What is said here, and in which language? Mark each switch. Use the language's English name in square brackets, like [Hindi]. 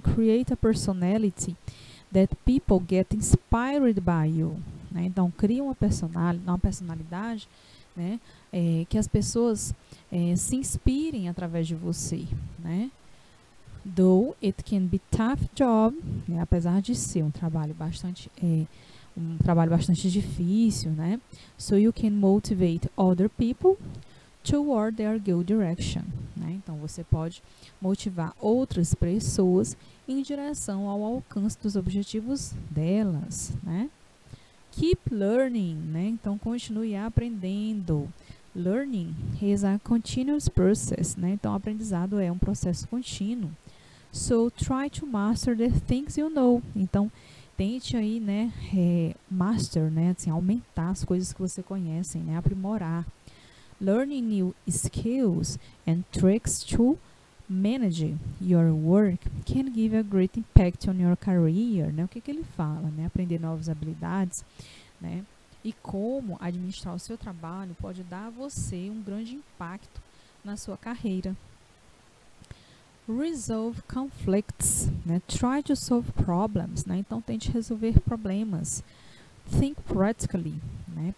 [English] Create a personality that people get inspired by you, né? [Portuguese] Então, cria uma personalidade, né? Que as pessoas se inspirem através de você, né? [English] Though it can be tough job, [Portuguese] né? Apesar de ser um trabalho bastante difícil, né? [English] So you can motivate other people toward their good direction, né? [Portuguese] Então você pode motivar outras pessoas em direção ao alcance dos objetivos delas, né? [English] Keep learning, [Portuguese] né? Então continue aprendendo. [English] Learning is a continuous process, [Portuguese] né? Então aprendizado é um processo contínuo. [English] So try to master the things you know. [Portuguese] Então tente aí, né? Master, né? Assim, aumentar as coisas que você conhece, né? Aprimorar. [English] Learning new skills and tricks to manage your work can give a great impact on your career, né? [Portuguese] O que, que ele fala, [English] né? [Portuguese] Aprender novas habilidades, né? E como administrar o seu trabalho pode dar a você um grande impacto na sua carreira. [English] Resolve conflicts, né? Try to solve problems, né? [Portuguese] Então tente resolver problemas. [English] Think practically, [Portuguese] né?